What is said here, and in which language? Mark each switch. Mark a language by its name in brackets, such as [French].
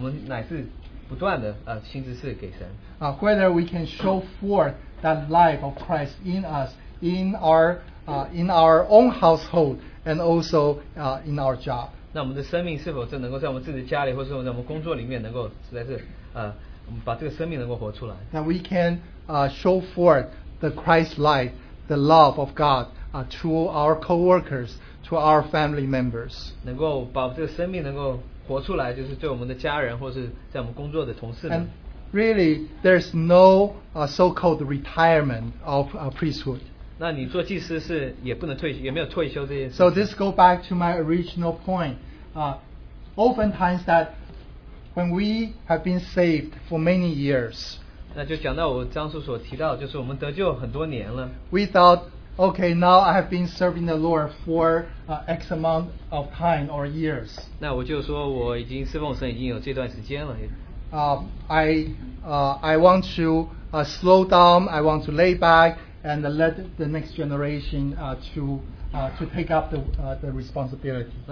[Chinese] 那我们做执事的，我们或许在我们家里，对我们的儿女们，我们的妻子，我们乃是不断的行执事给神。 [English] Whether we can show forth that life of Christ in us, in our own household, and also in our job. [Chinese] 那我们的生命是否真能够在我们自己的家里，或者是我们工作里面能够实在是，我们把这个生命能够活出来。 [English] That we can show forth the Christ life, the love of God, to our co-workers, to our family members. [Chinese] 能够把这个生命能够活出来，就是对我们的家人，或是在我们工作的同事们。 [English] Really, there's no so-called retirement of priesthood. [Chinese] 那你做祭司是也不能退休，也没有退休这件事。 [English] So this goes back to my original point. Oftentimes that when we have been saved for many years, [Chinese] 那就讲到我当初所提到，就是我们得救很多年了。 [English] We thought, okay, now I have been serving the Lord for X amount of time or years. [Chinese] 那我就说我已经侍奉神已经有这段时间了。 [English] I want to slow down. I want to lay back and let the next generation to take up the responsibility.